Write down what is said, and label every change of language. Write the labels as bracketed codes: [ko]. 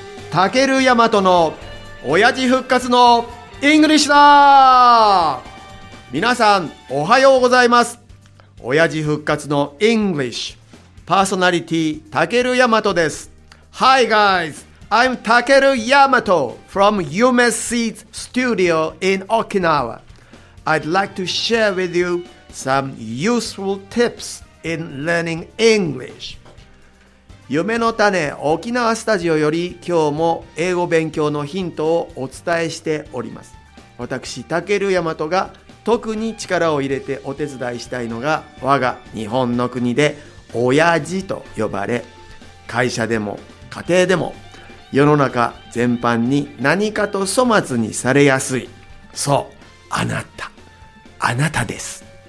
[ja] タケルヤマトの親父復活のイングリッシュだ。皆さんおはようございます。親父復活のイングリッシュパーソナリティタケルヤマトです。 [en] Hi guys, I'm タケルヤマト from UMSC Studio in Okinawa. I'd like to share with you some useful tips in learning English. [ja] 夢の種沖縄スタジオより今日も英語勉強のヒントをお伝えしております。私タケルヤマトが特に力を入れてお手伝いしたいのが、我が日本の国で親父と呼ばれ、会社でも家庭でも世の中全般に何かと粗末にされやすい、そうあなた、あなたです。